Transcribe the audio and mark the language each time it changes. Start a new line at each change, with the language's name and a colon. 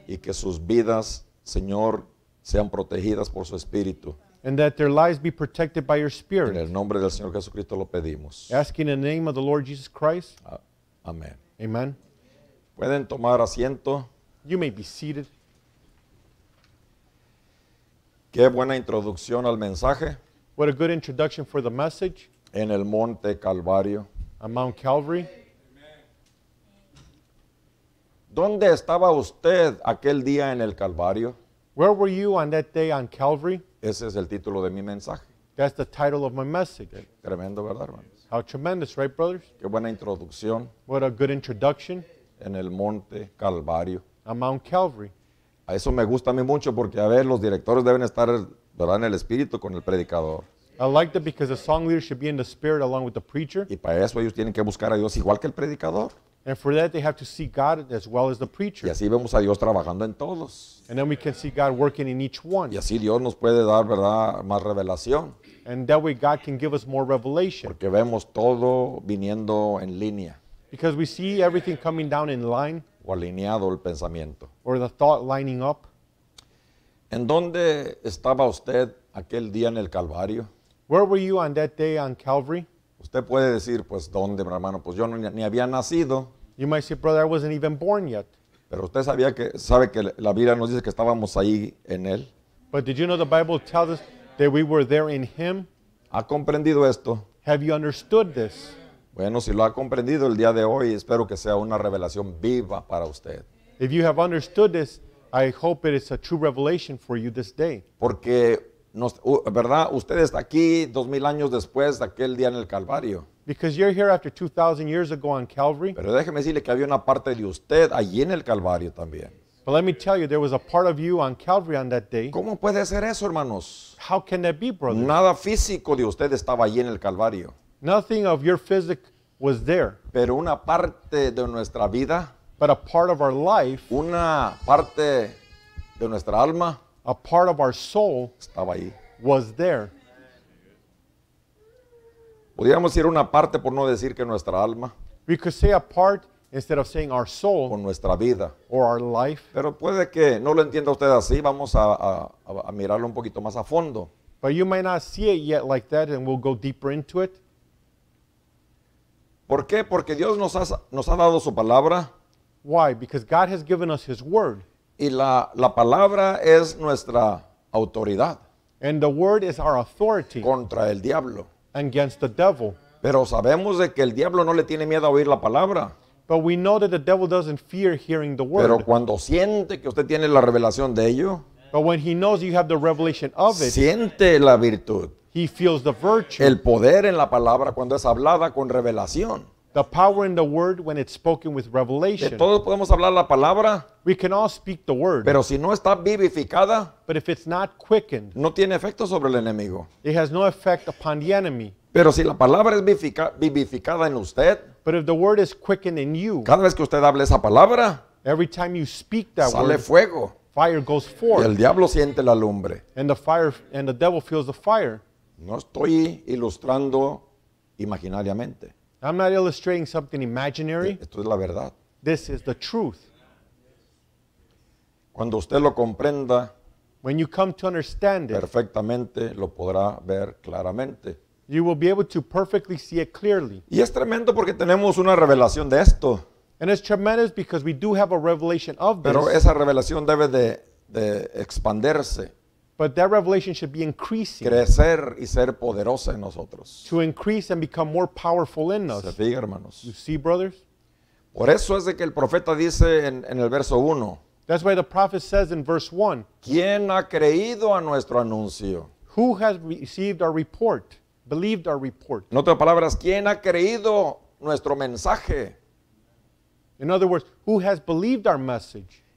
Spanish: Y que sus vidas, Señor, sean protegidas por su espíritu.
English: And that their lives be protected by your spirit.
Spanish: En el nombre del Señor Jesucristo lo pedimos.
English: Asking in the name of the Lord Jesus Christ.
Spanish: Amen.
English: Amen.
Spanish: Pueden tomar asiento.
English: You may be seated.
Spanish: Qué buena introducción al mensaje.
English: What a good introduction for the message.
Spanish: En el Monte Calvario.
English: On Mount Calvary.
Spanish: ¿Dónde estaba usted aquel día en el Calvario?
English: Where were you on that day on Calvary?
Spanish: Ese es el título de mi mensaje.
English: That's the title of my message.
Spanish: Tremendo, ¿verdad, hermanos?
English: How tremendous, right, brothers?
Spanish: Qué buena introducción.
English: What a good introduction.
Spanish: En el Monte Calvario.
English: On Mount Calvary.
Spanish: A eso me gusta a mí mucho porque a ver, los directores deben estar, ¿verdad?, en el espíritu con el predicador.
English: I like that because the song leader should be in the spirit along with the preacher.
Spanish: Y para eso ellos tienen que buscar a Dios igual que el predicador.
English: And for that they have to see God as well as the preacher.
Spanish: Y así vemos a Dios trabajando en todos.
English: And then we can see God working in each one.
Spanish: Y así Dios nos puede dar, ¿verdad?, más revelación.
English: And that way God can give us more revelation.
Spanish: Porque vemos todo viniendo en línea.
English: Because we see everything coming down in line.
Spanish: O alineado el pensamiento.
English: Or the thought lining up.
Spanish: ¿En dónde estaba usted aquel día en el Calvario?
English: Where were you on that day on Calvary?
Spanish: Usted puede decir, pues, ¿dónde, mi hermano? Pues yo ni había nacido.
English: You might say, brother, I wasn't even born yet.
Spanish: Pero usted sabía que, sabe que la Biblia nos dice que estábamos ahí en él.
English: But did you know the Bible tells us that we were there in him?
Spanish: ¿Ha comprendido esto?
English: Have you understood this?
Spanish: Bueno, si lo ha comprendido el día de hoy, espero que sea una revelación viva para usted.
English: If you have understood this, I hope it is a true revelation for you this day.
Spanish: Porque, ¿verdad? Usted está aquí 2,000 años después de aquel día en el Calvario.
English: Because you're here after 2,000 years ago on Calvary.
Spanish: Pero déjeme decirle que había una parte de usted allí en el Calvario también.
English: But let me tell you, there was a part of you on Calvary on that day.
Spanish: ¿Cómo puede ser eso, hermanos?
English: How can that be, brother?
Spanish: Nada físico de usted estaba allí en el Calvario.
English: Nothing of your physique was there.
Spanish: Pero una parte de nuestra vida.
English: But a part of our life.
Spanish: Una parte de nuestra alma.
English: A part of our soul.
Spanish: Estaba ahí.
English: Was there.
Spanish: Podríamos decir una parte por no decir que nuestra alma.
English: We could say a part instead of saying our soul.
Spanish: Con nuestra vida.
English: Or our life.
Spanish: Pero puede que no lo entienda usted así. Vamos a mirarlo un poquito más a fondo.
English: But you might not see it yet like that and we'll go deeper into it.
Spanish: ¿Por qué? Porque Dios nos ha dado su palabra.
English: Why? Because God has given us his word.
Spanish: Y la palabra es nuestra autoridad.
English: And the word is our authority.
Spanish: Contra el diablo.
English: Against the devil.
Spanish: Pero sabemos de que el diablo no le tiene miedo a oír la palabra.
English: But we know that the devil doesn't fear hearing the word.
Spanish: Pero cuando siente que usted tiene la revelación de ello.
English: But when he knows you have the revelation of it.
Spanish: Siente la virtud.
English: He feels the virtue.
Spanish: El poder en la palabra cuando es hablada con revelación.
English: The power in the word when it's spoken with revelation.
Spanish: De todos podemos hablar la palabra.
English: We can all speak the word.
Spanish: Pero si no está vivificada.
English: But if it's not quickened.
Spanish: No tiene efecto sobre el enemigo.
English: It has no effect upon the enemy.
Spanish: Pero si la palabra es vivificada en usted.
English: But if the word is quickened in you.
Spanish: Cada vez que usted hable esa palabra.
English: Every time you speak that
Spanish: sale
English: word.
Spanish: Sale fuego.
English: Fire goes forth.
Spanish: Y el diablo siente la lumbre.
English: And the devil feels the fire.
Spanish: No estoy ilustrando imaginariamente.
English: I'm not illustrating something imaginary.
Spanish: Esto es la verdad.
English: This is the truth.
Spanish: Cuando usted lo comprenda,
English: when you come to understand it,
Spanish: perfectamente lo podrá ver claramente.
English: You will be able to perfectly see it clearly.
Spanish: Y es tremendo porque tenemos una revelación de esto.
English: And it's tremendous because we do have a revelation of this.
Spanish: Pero esa revelación debe de expanderse.
English: But that revelation should be increasing.
Spanish: Crecer y ser poderosa en nosotros.
English: To increase and become more powerful in us.
Spanish: Se fija, hermanos.
English: You see, brothers?
Spanish: Por eso es de que el profeta dice en el verso 1.
English: That's why the prophet says in verse 1.
Spanish: ¿Quién ha creído a nuestro anuncio?
English: Who has received our report? Believed our report.
Spanish: En otras palabras, ¿quién ha creído nuestro mensaje?
English: In other words, who has believed our message?